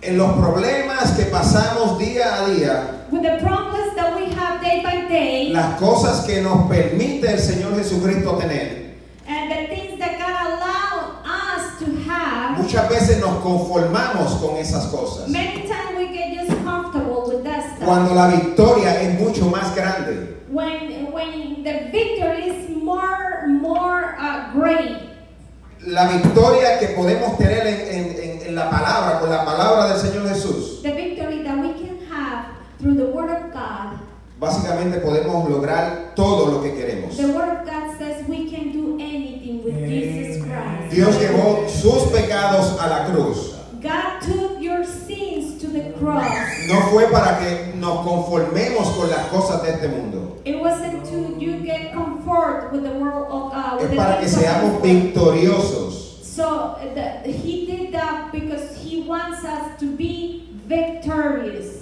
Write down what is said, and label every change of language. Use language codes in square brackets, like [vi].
[es] En los problemas que pasamos día a día. [en] With the problems that we have day by day. [es] Las cosas que nos permite el Señor Jesucristo tener. [en] And the things that God allows us to have. [es] Muchas veces nos conformamos con esas cosas. [en] Many times we get just comfortable with that stuff. [es] Cuando la victoria es mucho más grande. [en] When the victory is more great. [es] La victoria que podemos tener en la palabra, con la palabra del Señor Jesús. [en] The victory that we can have through the word of God. [es] Básicamente podemos lograr todo lo que queremos. [en] The word of God says we can do anything with Amen. Jesus Christ. [es] Dios llevó sus pecados a la cruz. [en] God took your sins to the cross. [es] No fue para que nos conformemos con las cosas de este mundo. [en] It wasn't to you get comfort with the world of [es] es para que seamos victoriosos. [en] So he did that because he wants us to be victorious.